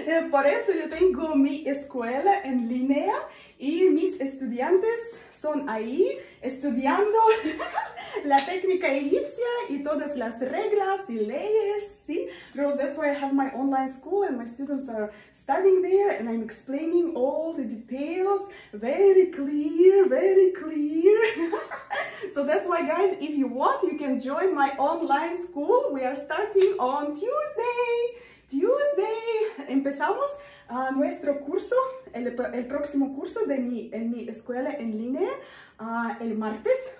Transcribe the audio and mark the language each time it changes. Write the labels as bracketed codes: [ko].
[es] Por eso yo tengo mi escuela en línea y mis estudiantes son ahí estudiando la técnica egipcia y todas las reglas y leyes, ¿sí? [en] Girls, that's why I have my online school and my students are studying there and I'm explaining all the details very clear, very clear. So that's why, guys, if you want, you can join my online school. We are starting on Tuesday. [es] Tuesday, empezamos nuestro curso, el próximo curso de en mi escuela en línea, el martes.